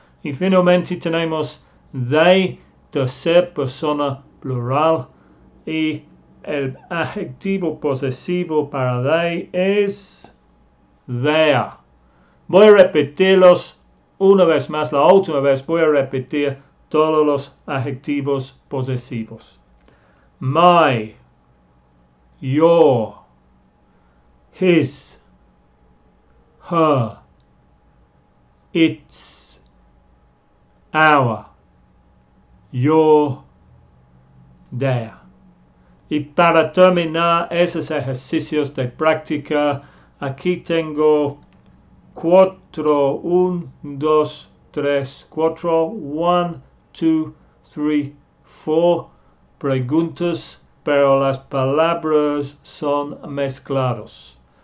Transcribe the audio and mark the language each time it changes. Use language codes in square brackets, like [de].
[es] Y finalmente tenemos they, tercera persona, plural, y el adjetivo posesivo para they es there. Voy a repetirlos una vez más, la última vez voy a repetir todos los adjetivos posesivos. [en] My, your, his, her, its, our, your, their. [es] Y para terminar esos ejercicios de práctica, aquí tengo 4, 1, 2, 3, 4, 1, 2, 3, 4 preguntas, pero las palabras son mezcladas.